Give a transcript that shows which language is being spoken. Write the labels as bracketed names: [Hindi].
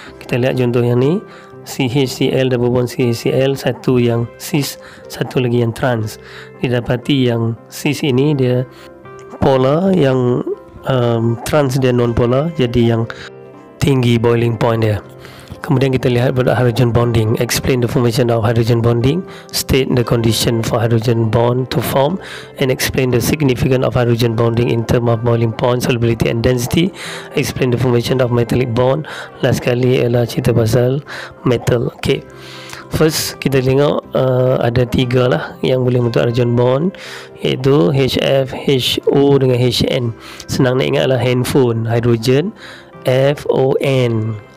[Malay] Kita lihat contoh yang ni, CHCl double bond CHCl, satu yang cis, satu lagi yang trans. Didapati yang cis ini dia polar, yang trans dia non-polar, jadi yang tinggi boiling point dia. Kemudian kita lihat pada hydrogen bonding. [English] Explain the formation of hydrogen bonding. State the condition for hydrogen bond to form. And explain the significance of hydrogen bonding in term of boiling point, solubility and density. Explain the formation of metallic bond. [Malay] Last kali ialah cerita pasal metal. Okay, first kita tengok ada tiga lah yang boleh membentuk hydrogen bond, iaitu HF, HO dengan HN. Senang nak ingat lah, handphone, hydrogen, F-O-N.